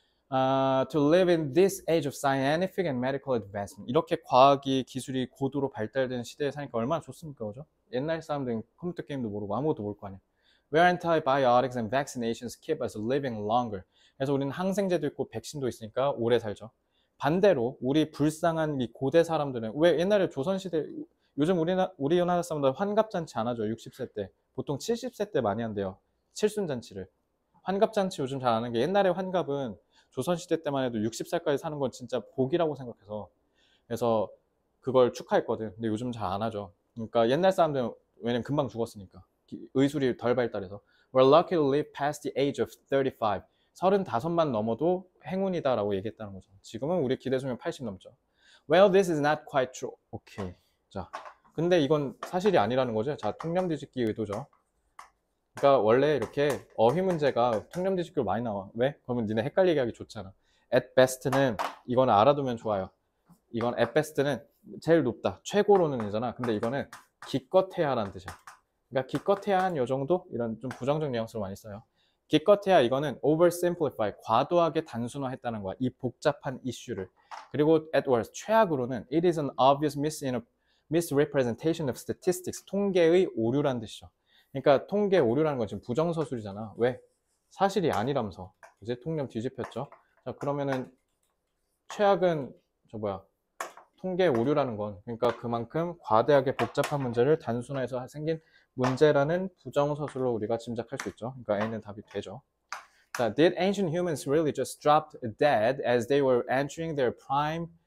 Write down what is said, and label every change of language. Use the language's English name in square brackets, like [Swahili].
[English] To live in this age of scientific and medical advancement. [Korean] 이렇게 과학이 기술이 고도로 발달된 시대에 사니까 얼마나 좋습니까, 그죠? 옛날 사람들은 컴퓨터 게임도 모르고 아무것도 모를 거 아니야. [English] Where antibiotics and vaccinations keep us living longer. [Korean] 그래서 우리는 항생제도 있고 백신도 있으니까 오래 살죠. 반대로 우리 불쌍한 이 고대 사람들은 왜 옛날에 조선시대 요즘 우리나라 사람들 환갑잔치 안 하죠. 60세 때. 보통 70세 때 많이 한대요. 칠순잔치를. 환갑잔치 요즘 잘안 하는 게 옛날에 환갑은 조선시대 때만 해도 60살까지 사는 건 진짜 복이라고 생각해서. 그래서 그걸 축하했거든. 근데 요즘 잘안 하죠. 그러니까 옛날 사람들은 왜냐면 금방 죽었으니까. 의술이 덜 발달해서. [English] We're lucky to live past the age of 35. [Korean] 35만 넘어도 행운이다라고 얘기했다는 거죠. 지금은 우리 기대 수명 80 넘죠. [English] Well, this is not quite true. 오케이. [Korean] 자, 근데 이건 사실이 아니라는 거죠. 자, 통념 뒤집기 의도죠. 그러니까 원래 이렇게 어휘 문제가 통념 뒤집기로 많이 나와. 왜? 그러면 니네 헷갈리게 하기 좋잖아. At best는 이거는 알아두면 좋아요. 이건 at best는 제일 높다. 최고로는이잖아. 근데 이거는 기껏해야라는 뜻이야. 그러니까 기껏해야 한요 정도? 이런 좀 부정적 뉘앙스로 많이 써요. 기껏해야 이거는 oversimplify, 과도하게 단순화했다는 거야. 이 복잡한 이슈를. [English] 그리고 at worst, [Korean] 최악으로는 [English] it is an obvious misrepresentation of statistics, [Korean] 통계의 오류란 뜻이죠. 그러니까 통계 오류라는 건 지금 부정서술이잖아. 왜? 사실이 아니라면서. 이제 통념 뒤집혔죠. 자, 그러면은 최악은 저 뭐야? 통계 오류라는 건, 그러니까 그만큼 과대하게 복잡한 문제를 단순화해서 생긴 문제라는 부정서술로 우리가 짐작할 수 있죠. 그러니까 A는 답이 되죠. [English] 자, did ancient humans really just dropped dead as they were entering their prime?